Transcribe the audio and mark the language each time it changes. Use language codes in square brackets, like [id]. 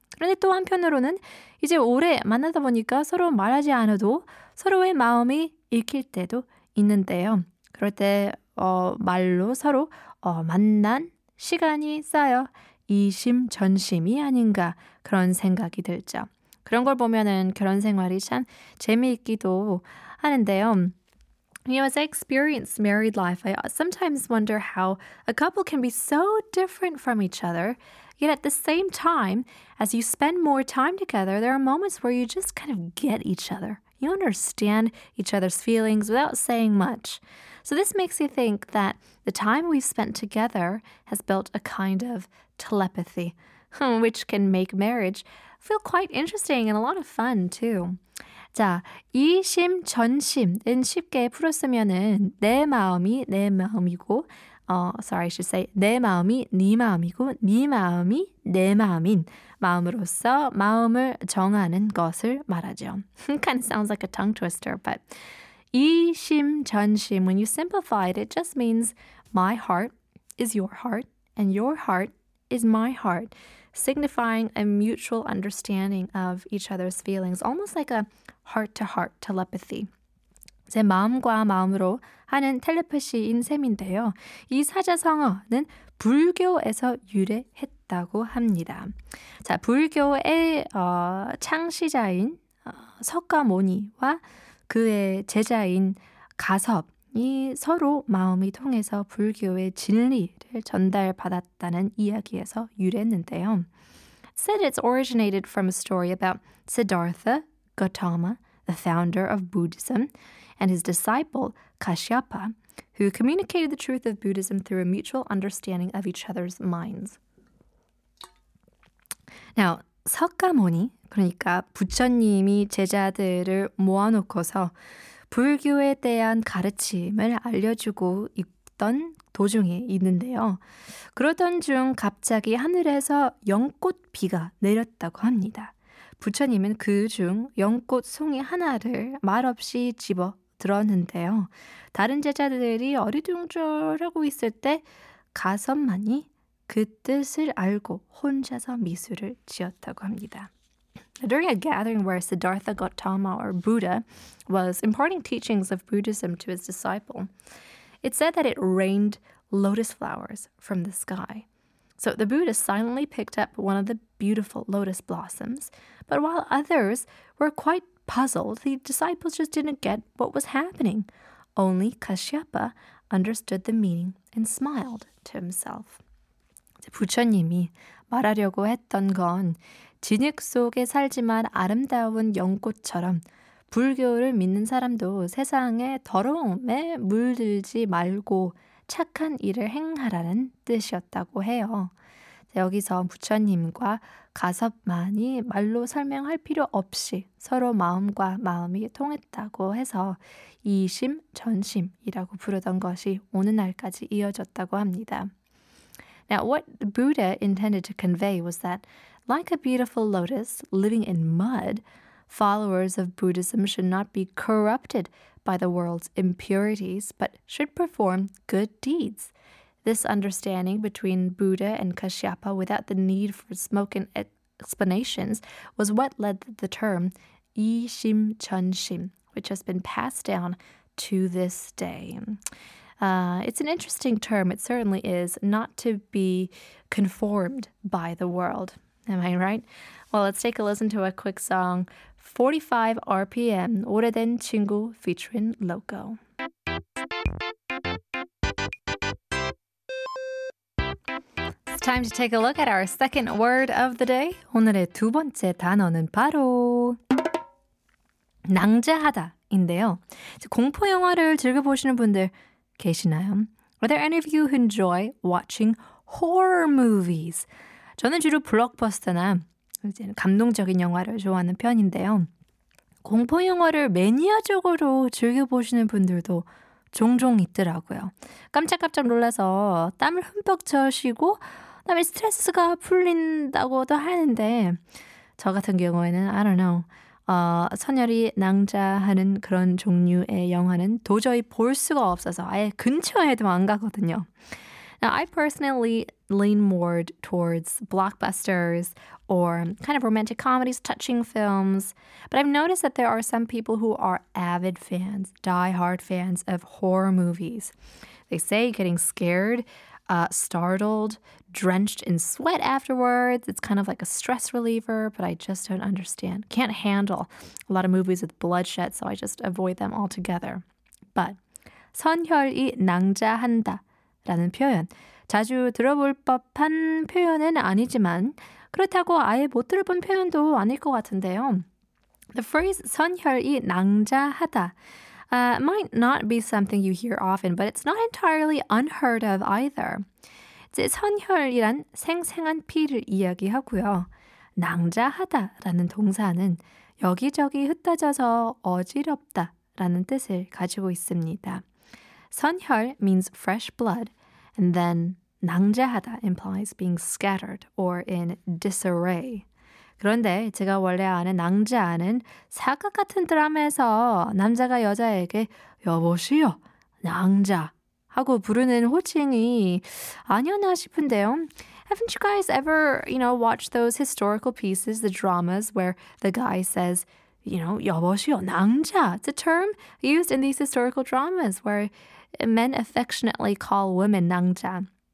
[ko] 그런데 또 한편으로는 이제 오래 만나다 보니까 서로 말하지 않아도 서로의 마음이 읽힐 때도 있는데요. 그럴 때 말로 서로 만난 시간이 쌓여 이심전심이 아닌가 그런 생각이 들죠. 그런 걸 보면은 결혼 생활이 참 재미있기도 하는데요. [en] You know, as I experience married life, I sometimes wonder how a couple can be so different from each other. Yet at the same time, as you spend more time together, there are moments where you just kind of get each other. You understand each other's feelings without saying much. So this makes you think that the time we've spent together has built a kind of telepathy, which can make marriage feel quite interesting and a lot of fun too. [ko] 자, 이심전심은 쉽게 풀었으면은 내 마음이 내 마음이고 [en] I should say [ko] 내 마음이 네 마음이고 네 마음이 내 마음인 마음으로서 마음을 정하는 것을 말하죠. [en] Kind of sounds like a tongue twister, but 이심전심, when you simplify it, it just means my heart is your heart and your heart is my heart, signifying a mutual understanding of each other's feelings, almost like a heart-to-heart telepathy. [ko] 제 마음과 마음으로 하는 텔레파시인 셈인데요. 이 사자성어는 불교에서 유래했다고 합니다. 자, 불교의 창시자인 석가모니와 그의 제자인 가섭이 서로 마음이 통해서 불교의 진리를 전달받았다는 이야기에서 유래했는데요. [en] Said it's originated from a story about Siddhartha Gautama, the founder of Buddhism, and his disciple, Kashyapa, who communicated the truth of Buddhism through a mutual understanding of each other's minds. [ko] Now, 석가모니, 그러니까 부처님이 제자들을 모아놓고서 불교에 대한 가르침을 알려주고 있던 도중에 있는데요. 그러던 중 갑자기 하늘에서 연꽃비가 내렸다고 합니다. 부처님은 그 중 연꽃 송이 하나를 말없이 집어 들었는데요. 다른 제자들이 어리둥절하고 있을 때 가섭만이 그 뜻을 알고 혼자서 미술을 지었다고 합니다. [en] During a gathering where Siddhartha Gautama, or Buddha, was imparting teachings of Buddhism to his disciple, it said that it rained lotus flowers from the sky. So the Buddha silently picked up one of the beautiful lotus blossoms, but while others were quite puzzled, the disciples just didn't get what was happening. Only Kashyapa understood the meaning and smiled to himself. [ko] 부처님이 말하려고 했던 건 진흙 속에 살지만 아름다운 연꽃처럼 불교를 믿는 사람도 세상의 더러움에 물들지 말고 착한 일을 행하라는 뜻이었다고 해요. 여기서 부처님과 가섭만이 말로 설명할 필요 없이 서로 마음과 마음이 통했다고 해서 이심전심이라고 부르던 것이 오늘날까지 이어졌다고 합니다. [en] Now, what the Buddha intended to convey was that, like a beautiful lotus living in mud, followers of Buddhism should not be corrupted by the world's impurities, but should perform good deeds. This understanding between Buddha and Kashyapa without the need for spoken explanations was what led to the term 이심전심, which has been passed down to this day. It's an interesting term, it certainly is, not to be conformed by the world. Am I right? Well, let's take a listen to a quick song, 45 RPM, 오래된 친구 featuring Loco. Time to take a look at our second word of the day. [ko] 오늘의 두 번째 단어는 바로 낭자하다인데요. 공포 영화를 즐겨 보시는 분들 계시나요? [en] Are there any of you who enjoy watching horror movies? [ko] 저는 주로 블록버스터나 이제 감동적인 영화를 좋아하는 편인데요. 공포 영화를 매니아적으로 즐겨 보시는 분들도 종종 있더라고요. 깜짝깜짝 놀라서 땀을 흠뻑 젖히고 그다음에 스트레스가 풀린다고도 하는데 저 같은 경우에는 [en] I don't know. [ko] 선열이 낭자하는 그런 종류의 영화는 도저히 볼 수가 없어서 아예 근처에도 안 가거든요. [en] Now, I personally lean more towards blockbusters or kind of romantic comedies, touching films. But I've noticed that there are some people who are avid fans, die-hard fans of horror movies. They say getting scared, startled, drenched in sweat afterwards. It's kind of like a stress reliever, but I just don't understand. Can't handle a lot of movies with bloodshed, so I just avoid them altogether. But [ko] 선혈이 낭자한다. 라는 표현. 자주 들어볼 법한 표현은 아니지만 그렇다고 아예 못 들어본 표현도 아닐 것 같은데요. [en] The phrase [ko] 선혈이 낭자하다 [en] might not be something you hear often, but it's not entirely unheard of either. [ko] 선혈이란 생생한 피를 이야기하고요. 낭자하다라는 동사는 여기저기 흩어져서 어지럽다라는 뜻을 가지고 있습니다. [en] 선혈 means fresh blood. And then 낭자하다 implies being scattered or in disarray. [ko] 그런데 제가 원래 아는 낭자는 사극 같은 드라마에서 남자가 여자에게 여보시오, 낭자 하고 부르는 호칭이 아니었나 싶은데요. [en] Haven't you guys ever, you know, watched those historical pieces, the dramas where the guy says, you know, [ko] 여보시오, 낭자. [en] It's a term used in these historical dramas where men affectionately call women 낭자.